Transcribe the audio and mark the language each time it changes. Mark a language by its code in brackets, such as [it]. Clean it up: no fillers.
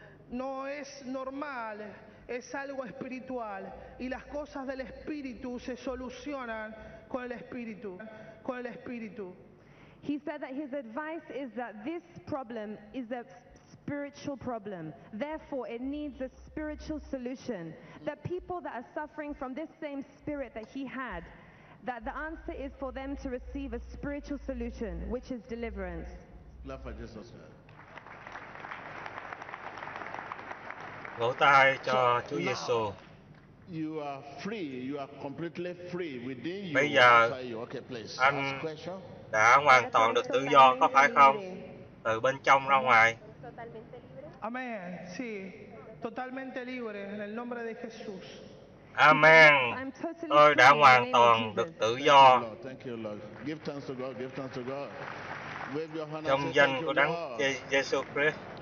[es] No es normal, es algo espiritual. Y las cosas del espíritu se solucionan con el espíritu. Con el espíritu. [en] He said that his advice is that this problem is a spiritual problem. Therefore, it needs a spiritual solution. The people that are suffering from this same spirit that he had, that the answer is for them to receive a spiritual solution, which is deliverance. Love for Jesus. [vi] Vỗ tay cho Chúa Giêsu. [en] You are free, you are completely free within you. [vi] Bây giờ anh đã hoàn toàn được tự do, có phải không? Từ bên trong ra ngoài. [en] Amen. [es] Sí, totalmente libre en el nombre de Jesús. [en] Amen. [vi] Tôi đã hoàn toàn được tự do. [en] Thank you, Lord. Give thanks to God. Give thanks to God. Wave your hand. [vi] Trong danh của Đấng Jesus Christ.